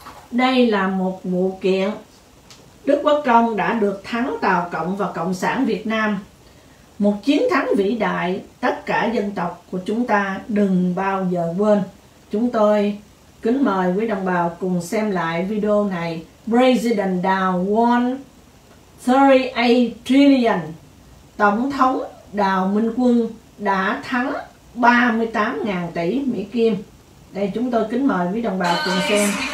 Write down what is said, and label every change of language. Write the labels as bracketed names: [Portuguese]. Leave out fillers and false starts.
[Vietnamese] Đây là một vụ kiện Đức Quốc Công đã được thắng Tàu Cộng và Cộng sản Việt Nam. Một chiến thắng vĩ đại, tất cả dân tộc của chúng ta đừng bao giờ quên. Chúng tôi kính mời quý đồng bào cùng xem lại video này. [English] President Đào won 38 trillion. [Vietnamese] Tổng thống Đào Minh Quân đã thắng 38.000 tỷ Mỹ Kim. Đây, chúng tôi kính mời quý đồng bào cùng xem.